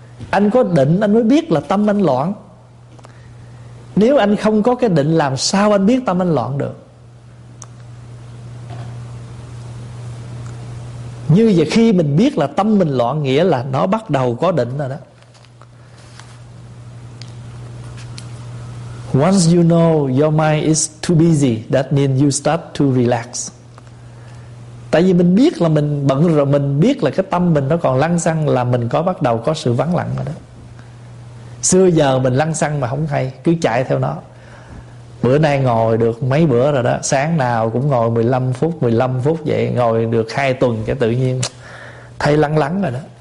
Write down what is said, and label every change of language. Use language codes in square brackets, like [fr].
[vi] Anh có định anh mới biết là tâm anh loạn. Nếu anh không có cái định làm sao anh biết tâm anh loạn được. Như vậy khi mình biết là tâm mình loạn, nghĩa là nó bắt đầu có định rồi đó. [en] Once you know your mind is too busy, that means you start to relax. [vi] Tại vì mình biết là mình bận rồi, mình biết là cái tâm mình nó còn lăng xăng là mình có bắt đầu có sự vắng lặng rồi đó. Xưa giờ mình lăng xăng mà không hay, cứ chạy theo nó. Bữa nay ngồi được mấy bữa rồi đó, sáng nào cũng ngồi 15 phút, 15 phút vậy, ngồi được 2 tuần cái tự nhiên thấy lăng lắng rồi đó.